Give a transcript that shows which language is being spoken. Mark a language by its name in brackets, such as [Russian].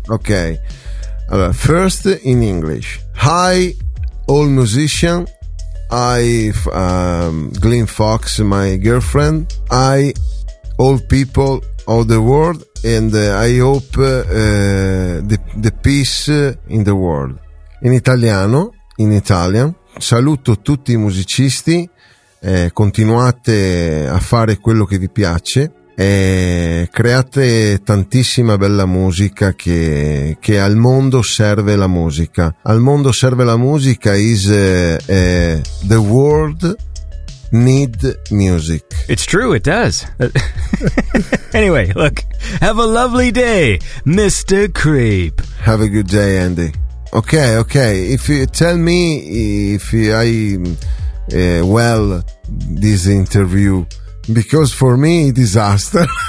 [English] Okay. First, in English. Hi, all musician. I, Glenn Fox, my girlfriend. I, all people of the world. And I hope the peace in the world. In Italian, [Italian] saluto tutti i musicisti, continuate a fare quello che vi piace, create tantissima bella musica che al mondo serve la musica. Al mondo serve la musica [English] is the world need music. It's true, it does. Anyway, look, have a lovely day, Mr. Creep. Have a good day, Andy. Okay, if you tell me if I well this interview, because for me disaster.